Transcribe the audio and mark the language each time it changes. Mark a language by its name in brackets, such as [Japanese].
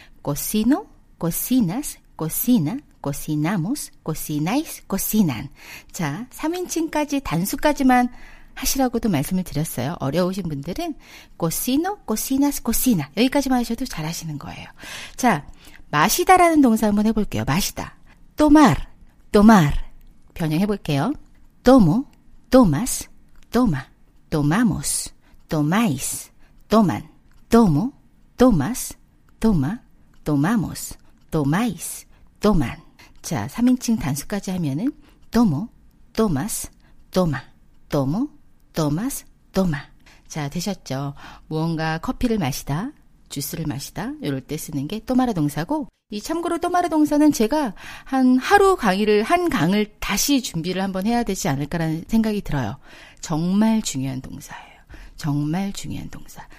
[Spanish] Cocino, cocinas, cocina, cocinamos, cocináis, cocinan. [Korean] 자, 3인칭까지 단수까지만 하시라고도 말씀을 드렸어요. 어려우신 분들은 [Spanish] cocino, cocinas, cocina [Korean] 여기까지만 하셔도 잘하시는 거예요. 자, 마시다라는 동사 한번 해볼게요. 마시다. [Spanish] tomar, tomar [Korean] 변형해볼게요. [Spanish] tomo, tomas, toma, tomamos, tomáis, toman. tomo, tomas, toma, tomamos, tomáis, toman. [Korean] 자, 3인칭 단수까지 하면은 [Spanish] tomo, tomas, toma, tomo, Tomas, toma. [Korean] 자, 되셨죠? 무언가 커피를 마시다, 주스를 마시다, 이럴 때 쓰는 게 토마르 동사고, 이 참고로 토마르 동사는 제가 한 하루 강의를, 한 강을 다시 준비를 한번 해야 되지 않을까라는 생각이 들어요. 정말 중요한 동사예요. 정말 중요한 동사.